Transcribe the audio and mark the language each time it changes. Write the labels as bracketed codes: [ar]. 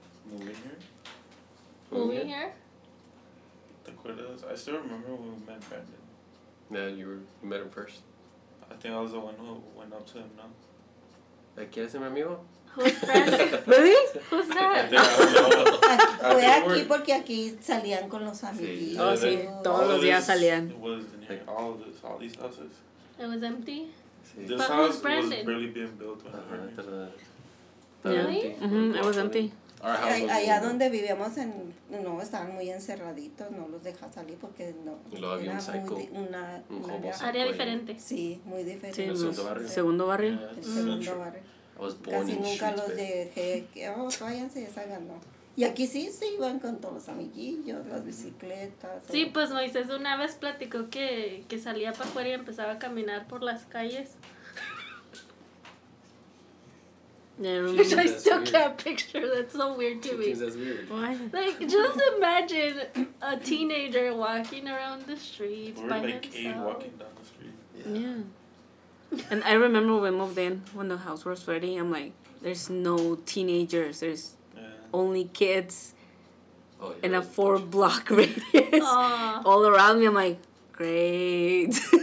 [en] Moving here? Moving here? I still remember when we met Brandon. Yeah, you met him first. I think I was the one who went up to him, no? [es] Like, ¿quieres ser mi amigo? [en] Who's friend? Really? Who's that? [es] Fue aquí porque aquí salían con los amiguitos. Oh, sí. Todos los días salían. [en] It was in here. Like, all these houses. It was empty? [es] Sí. [en] This house was barely being built when I heard it. Really? Mm-hmm. It was empty. [es] Allá donde vivíamos, no, estaban muy encerraditos. No los dejaba salir porque no. Lo había un psycho. Área diferente. Sí, muy diferente. Sí, segundo barrio. Segundo barrio. Casi nunca los dejé, que váyanse, ya salgan, no. Y aquí sí se iban con todos los amiguillos, las bicicletas. Sí, pues Moisés una vez platicó que salía para afuera y empezaba a caminar por las calles. [en] I still can't picture, that's so weird to me. Why? Like, just imagine a teenager walking around the street by himself. Or like Abe walking down the street. Yeah. And I remember when we moved in, when the house was ready, I'm like, there's no teenagers, there's only kids in a 4-block radius all around me. I'm like, great.